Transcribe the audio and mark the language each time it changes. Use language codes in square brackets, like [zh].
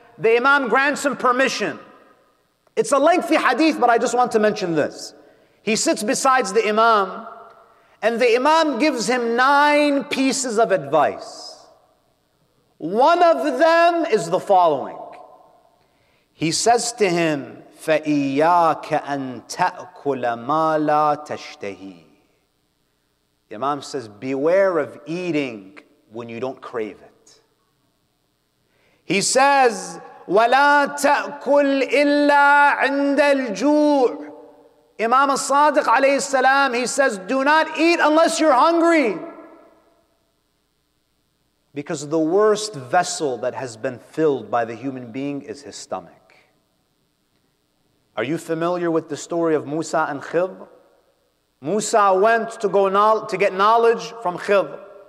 [en] The Imam grants him permission. It's a lengthy hadith, but I just want to mention this. He sits beside the Imam, and the Imam gives him 9 pieces of advice. One of them is the following. He says to him, [ar] فَإِيَّاكَ أَن تَأْكُلَ مَا لَا تَشْتَهِي. [en] The Imam says, beware of eating when you don't crave it. He says, [ar] وَلَا تَأْكُلْ إِلَّا عِنْدَ الْجُوعِ. [en] Imam al-Sadiq alayhi salam, he says, do not eat unless you're hungry. Because the worst vessel that has been filled by the human being is his stomach. Are you familiar with the story of Musa and Khidr? Musa went to get knowledge from Khidr.